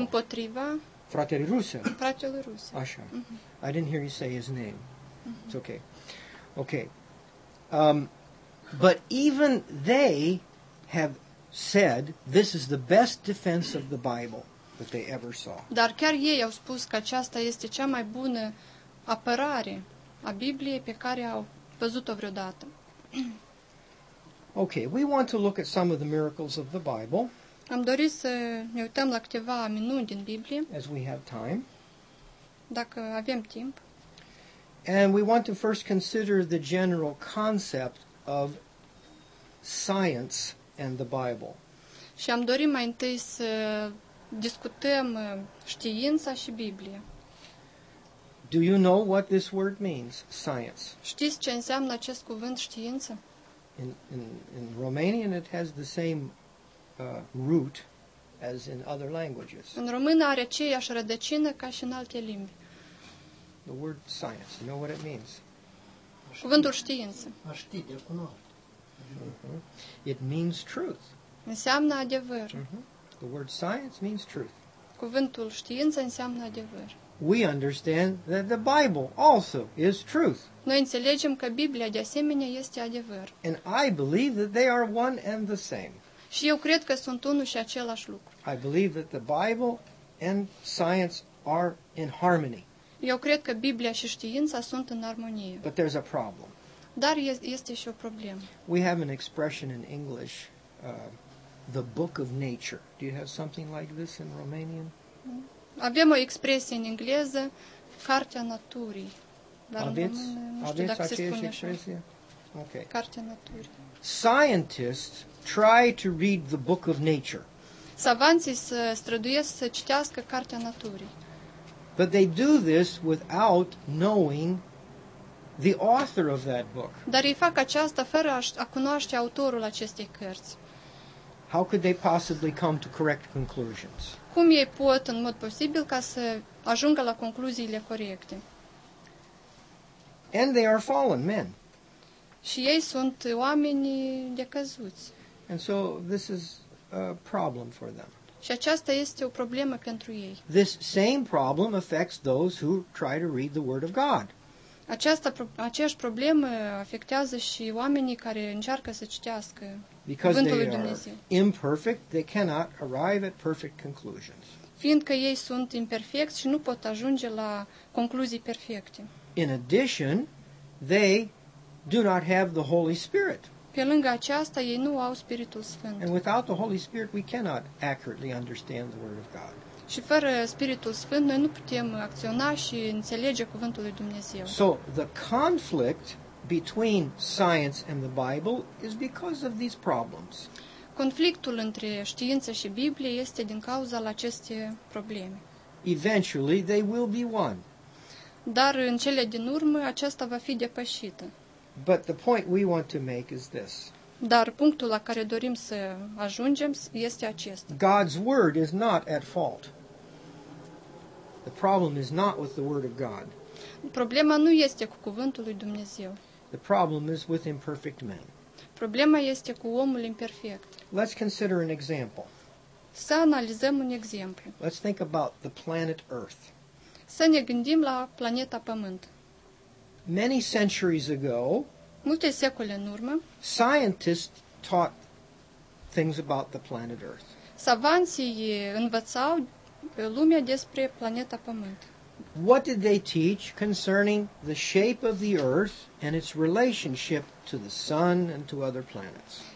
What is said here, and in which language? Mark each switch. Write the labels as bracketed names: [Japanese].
[Romanian] Împotriva fratele Rusev. Fratele Rusev. [English] Așa. I didn't hear you say his name. It's okay. Okay. But even they have said this is the best defense of the Bible that they ever saw. [Romanian] Dar chiar ei au spus că aceasta este cea mai bună apărare a Bibliei pe care au văzut-o vreodată. [English] Okay, we want to look at some of the miracles of the Bible. [Romanian] Am dorit să ne uităm la câteva minuni din Biblie. [English] As we have time. [Romanian] Dacă avem timp. [English] And we want to first consider the general concept of science and the Bible. [Romanian] Și am dorit mai întâi să discutăm știința și Biblia. [English] Do you know what this word means, science? [Romanian] Știți ce înseamnă acest cuvânt știință? [English] In Romanian it has the same root as in other languages. [Romanian] În română are aceeași rădăcină ca și în alte limbi. [English] The word science, you know what it means? [Romanian] Cuvântul știință. A ști, de a cunoaște. [English] It means truth. [Romanian] Înseamnă adevăr. [English] The word science means truth. [Romanian] Cuvântul știință înseamnă adevăr. [English] We understand that the Bible also is truth. [Romanian] Noi înțelegem că Biblia de asemenea este adevăr. [English] And I believe that they are one and the same. [Romanian] Și eu cred că sunt unul și același lucru. [English] I believe that the Bible and science are in harmony. [Romanian] Eu cred că Biblia și știința sunt în armonie. [English] But there's a problem. [Romanian] Dar este și o problemă. [English] We have an expression in English, the book of nature. Do you have something like this in Romanian? [Romanian] Avem o expresie în engleză, cartea naturii. Dar aveți, în română, nu știu dacă se spune expresie? Așa. Okay. Cartea naturii. [English] Scientists try to read the book of nature. [Romanian] Savanții se străduiesc să citească cartea naturii. [English] But they do this without knowing the author of that book. [Romanian] Dar ei fac aceasta fără a cunoaște autorul acestei cărți. [English] How could they possibly come to correct conclusions? [Romanian] Cum ei pot, în mod posibil, ca să ajungă la concluziile corecte? [English] And they are fallen men. [Romanian] Și ei sunt oameni decăzuți. [English] And so this is a problem for them. [Romanian] Și aceasta este o problemă pentru ei. [English] This same problem affects those who try to read the Word of God. [Romanian] Aceeași problemă afectează și oamenii care încearcă să citească [English] Because they are imperfect, they cannot arrive at perfect conclusions. [Romanian] Fiindcă ei sunt imperfecți și nu pot ajunge la concluzii perfecte. [English] In addition, they do not have the Holy Spirit. [Romanian] Pe lângă aceasta, ei nu au Spiritul Sfânt. [English] And without the Holy Spirit, we cannot accurately understand the Word of God. [Romanian] Și fără Spiritul Sfânt, noi nu putem acționa și înțelege Cuvântul lui Dumnezeu. [English] So, the conflict between science and the Bible is because of these problems. [Romanian] Conflictul între știință și Biblie este din cauza la aceste probleme. [English] Eventually they will be one. [Romanian] Dar în cele din urmă aceasta va fi depășită. [English] But the point we want to make is this. [Romanian] Dar punctul la care dorim să ajungem este acesta. [English] God's word is not at fault. The problem is not with the word of God. [Romanian] Problema nu este cu cuvântul lui Dumnezeu. [English] The problem is with imperfect men. [Romanian] Problema este cu omul imperfect. [English] Let's consider an example. [Romanian] Să analizăm un exemplu. [English] Let's think about the planet Earth. [Romanian] Să ne gândim la planeta Pământ. [English] Many centuries ago, [Romanian] multe secole în urmă, [English] scientists taught things about the planet Earth. [Romanian] Savanții învățau lumea despre planeta Pământ. [English] What did they teach concerning the shape of the earth and its relationship to the sun and to other planets?